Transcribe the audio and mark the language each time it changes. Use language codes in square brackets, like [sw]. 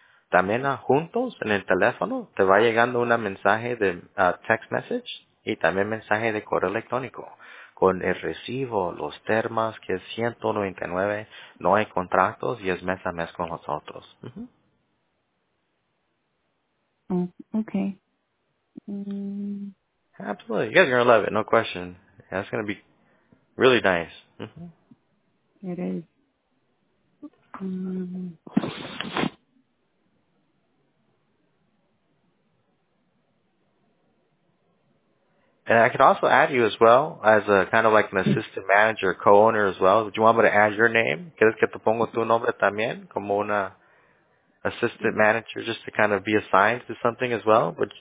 [es] También juntos en el teléfono te va llegando un mensaje de [en] text message [es] y también mensaje de correo electrónico con el recibo, los termas, que es 199, no hay contratos y es mes a mes con nosotros. [en] Okay. Absolutely. You guys are going to love it, no question. That's going to be really nice. It is. And I could also add you as well as a kind of like an assistant manager, co-owner as well. Do you want me to add your name? [es] ¿Quieres que te ponga tu nombre también como una [en] assistant manager just to kind of be assigned to something as well?